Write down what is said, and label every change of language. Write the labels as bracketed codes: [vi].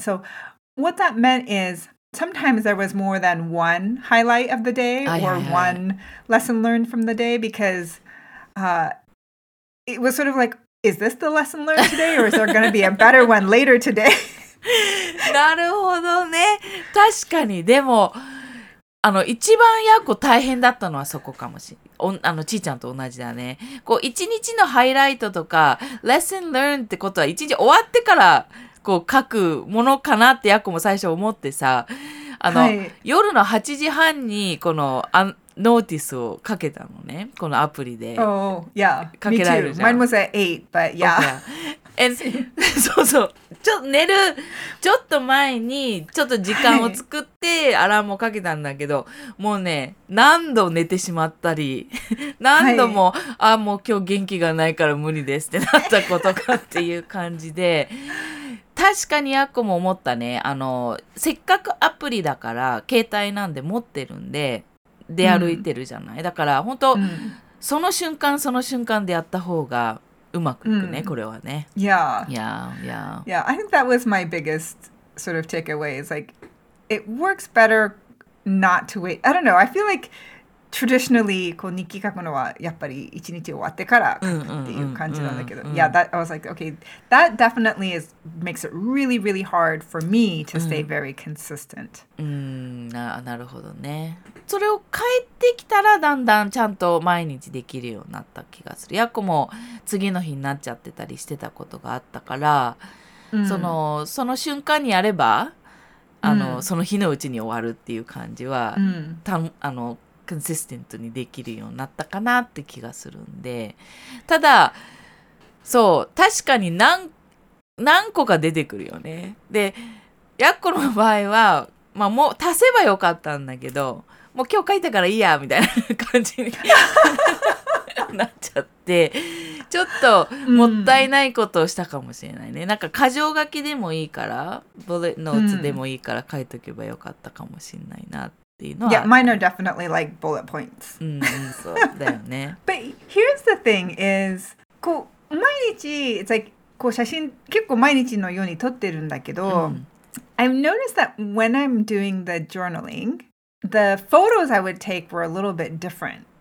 [en] So what that meant is sometimes there was more than one highlight of the day or one lesson learned from the day because it was sort of likeIs this the lesson learned today, or is there going to be a better one later today? [ja] なるほどね。確かに。でも、一番やっこ大変だったのはそこかもしれない。ちーちゃんと同じだね。こう、一日のハイライトとか、lesson learned ってことは、一日終わってから、こう、書くものかなってやっこも最初思ってさ、はい、夜の8時半に、この、ノーティスをかけたのね、このアプリで。おお、いや、かけられるじゃん。 [en] Mine was at 8, but yeah. [ja] And, そうそう、ちょっと寝る、ちょっと前に、ちょっと時間を作って、アラームをかけたんだけど、もうね、何度寝てしまったり、何度も、あ、もう今日元気がないから無理ですってなったことかっていう感じで、確かにあっこも思ったね。あの、せっかくアプリだから、携帯なんで持ってるんで、出歩いてるじゃない。うん、だから、本当、うん、その瞬間、その瞬間でやった方がうまくいくね、うん、これはね。 [en] Yeah. Yeah, yeah. Yeah, I think that was my biggest sort of takeaway. It's like, it works better not to wait. I don't know. I feel like traditionally, [ja] こう日記書くのはやっぱり一日終わってから書くっていう感じなんだけど。 [en] Yeah, that, I was like, okay, that definitely is, makes it really, really hard for me to stay very consistent. [ja] なるほどね。それを帰ってきたらだんだんちゃんと毎日できるようになった気がする。やっこも次の日になっちゃってたりしてたことがあったから、その瞬間にやれば、その日のうちに終わるっていう感じは、コンシステントにできるようになったかなって気がするんで、ただそう、確かに 何個か出てくるよね。でやっこの場合は、まあ、もう足せばよかったんだけど、もう今日書いたからいいやみたいな感じになっちゃって、ちょっともったいないことをしたかもしれないね、うん、なんか箇条書きでもいいから、ボレットノーツでもいいから書いとけばよかったかもしれないなって。 [en] Yeah, mine are definitely like bullet points. But here's the thing is, [ja] こう毎日、 [en] it's like, [ja] こう写真結構毎日のように撮ってるんだけど、 [en] I've noticed that when I'm doing the journaling, the photos I would take were a little bit different.